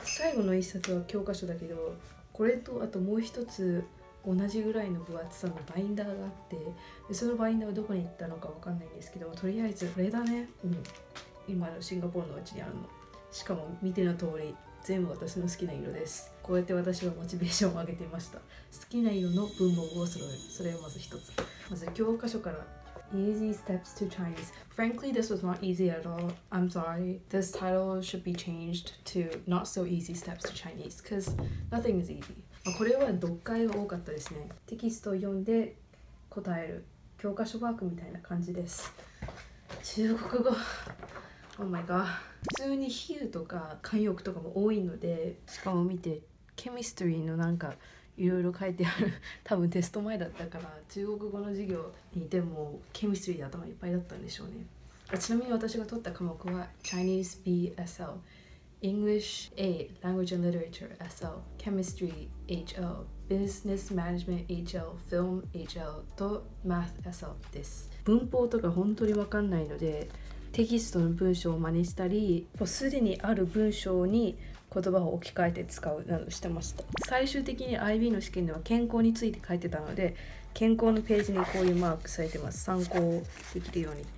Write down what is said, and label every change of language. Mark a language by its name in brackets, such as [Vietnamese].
[Japanese] 最後の一冊は教科書だけど、これとあともう一つ同じぐらいの分厚さのバインダーがあって、でそのバインダーはどこに行ったのか分かんないんですけど、とりあえずこれだね、今のシンガポールのうちにあるの。しかも見ての通り全部私の好きな色です。こうやって私はモチベーションを上げていました。好きな色の文房具を揃える、それをまず一つ。まず教科書から [English] Easy Steps to Chinese. Frankly, this was not easy at all. I'm sorry. This title should be changed to Not So Easy Steps to Chinese, because nothing is easy. [Japanese] これは読解が多かったですね。テキストを読んで答える、教科書ワークみたいな感じです。中国語 [English] Oh my god. [Japanese] 普通に比喩とか慣用句とかも多いので、しかも見てケミストリーのなんかいろいろ書いてある、多分テスト前だったから、中国語の授業にいてもケミストリーで頭いっぱいだったんでしょうね。ちなみに私が取った科目は Chinese BSL、 English A、 Language and Literature SL、 Chemistry HL、 Business Management HL、 Film HL と Math SL です。文法とか本当に分かんないので、テキストの文章を真似したり、もうすでにある文章に言葉を置き換えて使うなどしてました。最終的に IB の試験では健康について書いてたので、健康のページにこういうマークされてます、参考できるように。